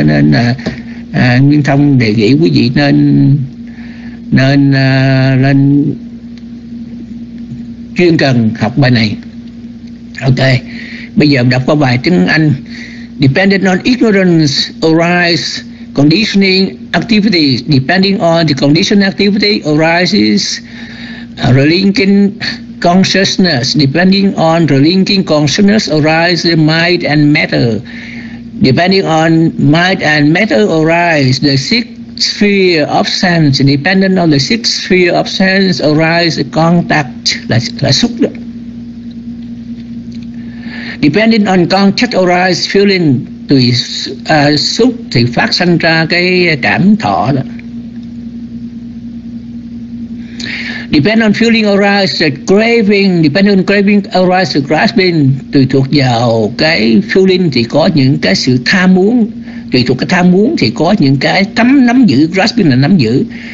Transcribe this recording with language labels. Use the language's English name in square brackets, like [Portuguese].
[Vietnamese] Cho nên Nguyên Thông đề nghị quý vị nên nên lên chuyên cần học bài này. Ok, bây giờ đọc qua bài tiếng Anh. [English] Dependent on ignorance arises conditioning activities. Depending on the conditioned activity arises relinking consciousness. Depending on relinking consciousness arises the mind and matter. Depending on mind and matter arises the sixth sphere of sense. Dependent on the sixth sphere of sense arises contact. [Vietnamese] Là xúc đó. [English] Depending on contact arise feeling, [Vietnamese] tùy xúc thì phát sinh ra cái cảm thọ đó. [English] Depend on feeling arise the craving, depending on craving arise the grasping, [Vietnamese] tùy thuộc vào cái feeling thì có những cái sự tham muốn, tùy thuộc cái tham muốn thì có những cái cấm nắm giữ, grasping là nắm giữ.